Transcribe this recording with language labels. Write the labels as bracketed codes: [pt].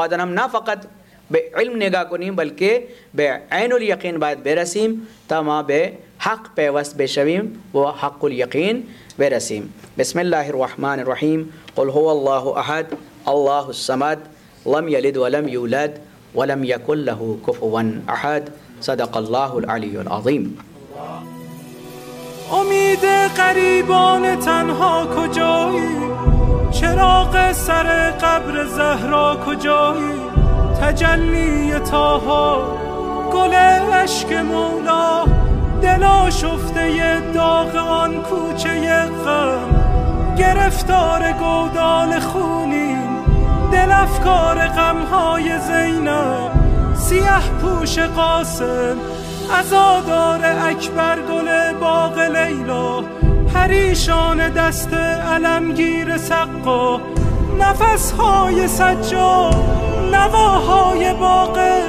[fa] بعد هم نه فقط به علم نگاه کنیم بلکه به عین الیقین باید برسیم تا ما به حق پیوست بشویم و حق الیقین برسیم. [ar] بسم الله الرحمن الرحیم. قل هو الله احد، الله الصمد، لم یلد ولم یولد ولم یکن له کفوا احد. صدق الله العلی العظیم. [fa] امید غریبان تنها کجایی؟ چراغ سر قبر زهرا کجایی؟ تجلی طه، گل عشق مولا، دل آشفته داغ آن کوچه غم، گرفتار گودال خونیم، دل افکار غمهای زینب، سیاه پوش قاسم، عزادار اکبر، گل باغ لیلا، پریشان دست علمگیر سقا، نفسهای سجاد، نواهای باغ،